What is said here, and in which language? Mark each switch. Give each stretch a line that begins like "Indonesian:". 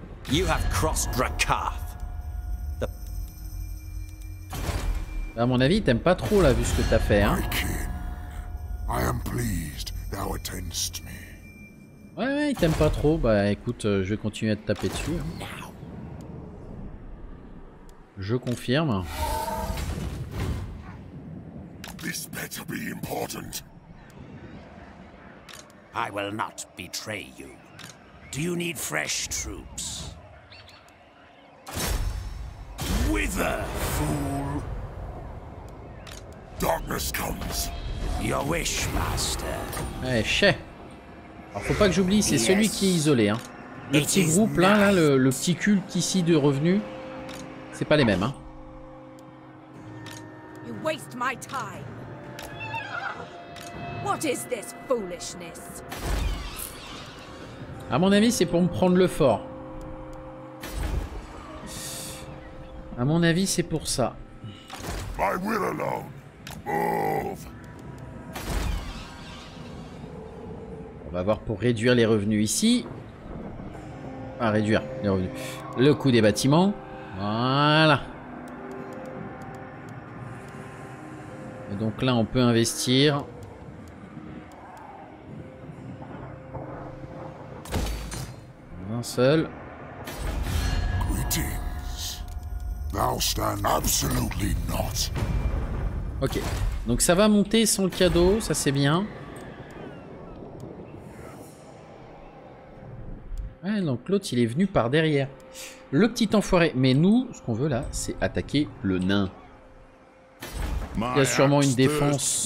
English: You have crossed Drakkarth.
French: À mon avis, t'aimes pas trop là, vu ce que t'as fait, hein?
English: I am pleased thou attendst me.
French: Ouais, ouais, t'aimes pas trop. Bah, écoute, je vais continuer à te taper dessus. Je confirme.
English: This better be important. I will not betray you. Do you need fresh troops? Wither, fool! Darkness comes. Your wish, master. Eh, chais.
French: Alors, faut pas que j'oublie, c'est celui qui est isolé, hein. Le petit groupe, là, là le petit culte ici de revenus, c'est pas les mêmes, hein.
English: You waste my time. What is this foolishness?
French: À mon avis, c'est pour me prendre le fort. À mon avis, c'est pour ça. My will alone. Move. On va voir pour réduire les revenus ici. Ah, réduire les revenus. Le coût des bâtiments. Voilà. Et donc là, on peut investir. Seul. Greetings.
English: Thou stand absolutely not.
French: Ok, donc ça va monter sans le cadeau, ça c'est bien. Ouais, donc l'autre, il est venu par derrière. Le petit enfoiré. Mais nous, ce qu'on veut là, c'est attaquer le nain. Il y a sûrement une défense.